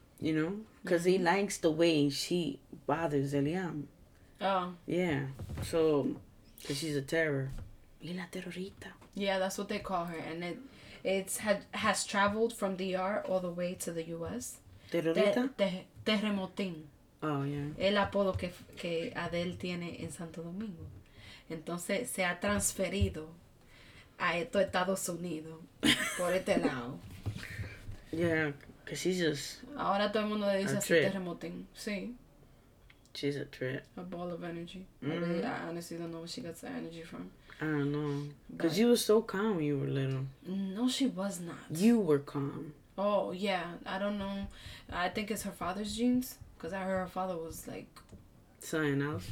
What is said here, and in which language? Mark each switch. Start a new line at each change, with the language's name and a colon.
English: You know, because mm-hmm. he likes the way she bothers Eliam. Oh. Yeah. So, because she's a terror.
Spanish: Y la terrorita.
English: Yeah, that's what they call her. And it has traveled from DR all the way to the US.
Spanish: Terrorita? Terremotín.
English: Oh, yeah.
Spanish: El apodo que Adele tiene en Santo Domingo. Entonces, se ha transferido a esto Estados Unidos por este lado.
English: Yeah. Cause she's just.
Spanish: Ahora todo el mundo le dice así terremotín. Sí.
English: She's a trip. A ball of energy. Mm-hmm. Really, I honestly don't know where she gets the energy from. I don't know. Because you were so calm when you were little. No, she was not. You were calm. Oh, yeah. I don't know. I think it's her father's genes. Because I heard her father was like. Something else.